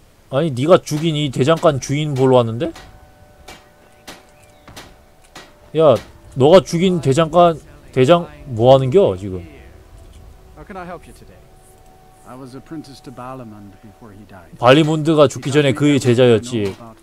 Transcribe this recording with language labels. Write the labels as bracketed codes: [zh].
[ko] 어? 아니, 네가 죽인 이 대장간 주인 보러 왔는데? 야, 너가 죽인 대장 뭐 하는겨 지금? [en] How can I help you today? I was apprentice to Balamund before he died. [ko] 발리문드가 죽기 전에 그의 제자였지.